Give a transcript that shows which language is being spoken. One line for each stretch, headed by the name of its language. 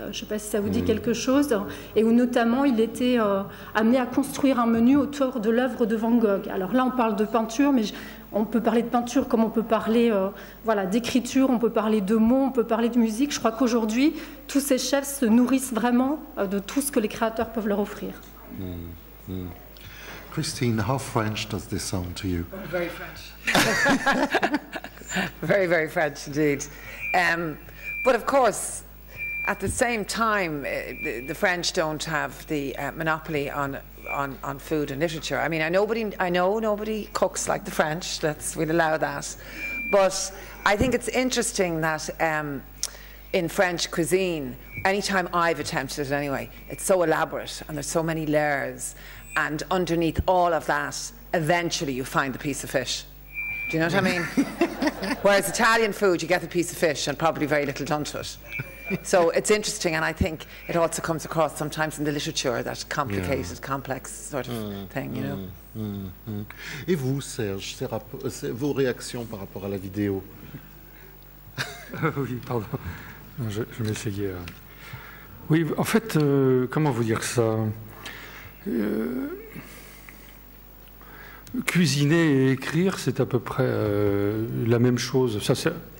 French: Je ne sais pas si ça vous dit quelque chose, et où notamment il était amené à construire un menu autour de l'œuvre de Van Gogh. Alors là, on parle de peinture, mais on peut parler de peinture comme on peut parler d'écriture, on peut parler de mots, on peut parler de musique. Je crois qu'aujourd'hui, tous ces chefs se nourrissent vraiment de tout ce que les créateurs peuvent leur offrir.
English: Christine, how French does this sound to you? Very French. Very, very French indeed. But of course, at the same time, the French don't have the monopoly on food and literature. I mean, I know nobody cooks like the French. We'll allow that. But I think it's interesting that in French cuisine, anytime I've attempted it anyway, it's so elaborate and there's so many layers. And underneath all of that, eventually you find the piece of fish. Do you know what I mean? Whereas Italian food, you get the piece of fish and probably very little done to it. So it's interesting, and I think it also comes across sometimes in the literature, that complicated, complex sort of thing, you know.
French: Et vous, Serge, c'est vos réactions par rapport à la vidéo? Oui, pardon. Je m'essayais. Oui, en fait, comment vous dire ça? Cuisiner et écrire, c'est à peu près la même chose. Ça, c'est...